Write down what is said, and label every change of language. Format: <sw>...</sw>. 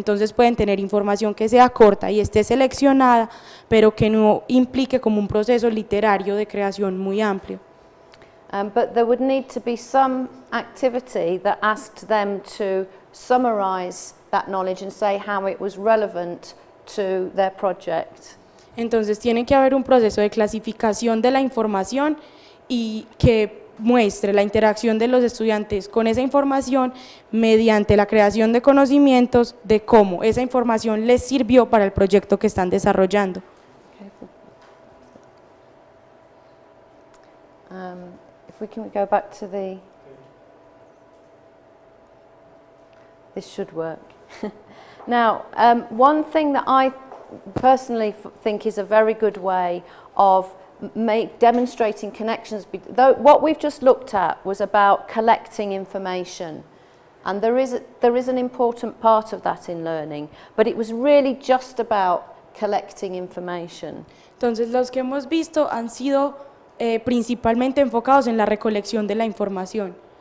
<es>Entonces pueden tener información que sea corta y esté seleccionada, pero que no implique como un proceso literario de creación muy amplio.</es> <en>But there would need to be some activity that asked them to summarize that knowledge and say how it was relevant to their project.</en> <es>Entonces tiene que haber un proceso de clasificación de la información y que muestre la interacción de los estudiantes con esa información mediante la creación de conocimientos de cómo esa información les sirvió para el proyecto que están desarrollando.</es> <en>If we can go back to the... This should work. Now, one thing that I personally think is a very good way of demonstrating connections, what we've just looked at was about collecting information, and there is an important part of that in learning, but it was really just about collecting information.</en> <es>Entonces, los que hemos visto han sido principalmente enfocados en la recolección de la información.</es>